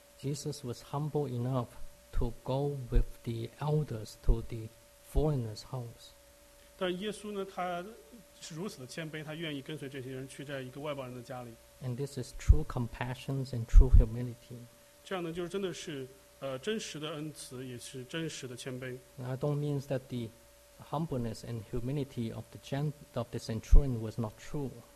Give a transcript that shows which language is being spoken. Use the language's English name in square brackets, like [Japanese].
[English] Jesus was humble enough to go with the elders to the foreigner's house. [Chinese] 但耶稣呢，他是如此的谦卑，他愿意跟随这些人去在一个外邦人的家里。 [English] And this is true compassion and true humility. [Chinese] 这样呢，就是真的是。真实的恩慈也是真实的谦卑。 [English] I don't mean that the humbleness and humility of the centurion was not true.